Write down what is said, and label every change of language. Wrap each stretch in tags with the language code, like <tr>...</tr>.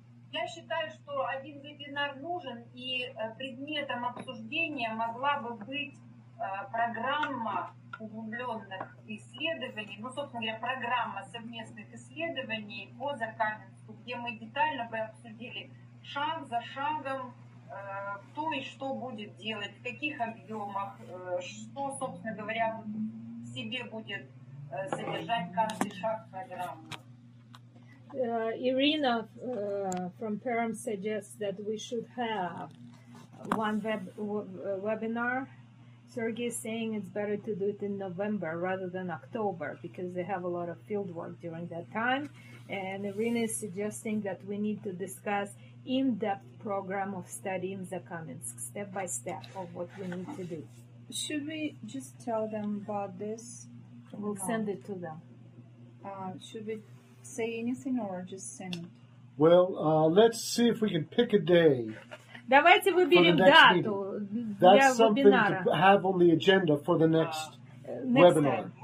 <ru>Я считаю, что один вебинар нужен, и предметом обсуждения могла бы быть программа углубленных исследований, ну, собственно говоря, программа совместных исследований по Закаменску, где мы детально бы обсудили шаг за шагом, кто и что будет делать, в каких объемах, что, собственно говоря, в себе будет содержать каждый шаг программы.</ru> <en>Irina from Perm suggests that we should have one webinar. Sergey is saying it's better to do it in November rather than October because they have a lot of field work during that time. And Irina is suggesting that we need to discuss in-depth program of study in Zakaminsk, step by step of what we need to do. Should we just tell them about this? We'll send it to them. Should we say anything or just send it? Well, let's see if we can pick a day.</en> <ru>Давайте выберем дату для вебинара.</ru> <en>That's something to have on the agenda for the next webinar.</en>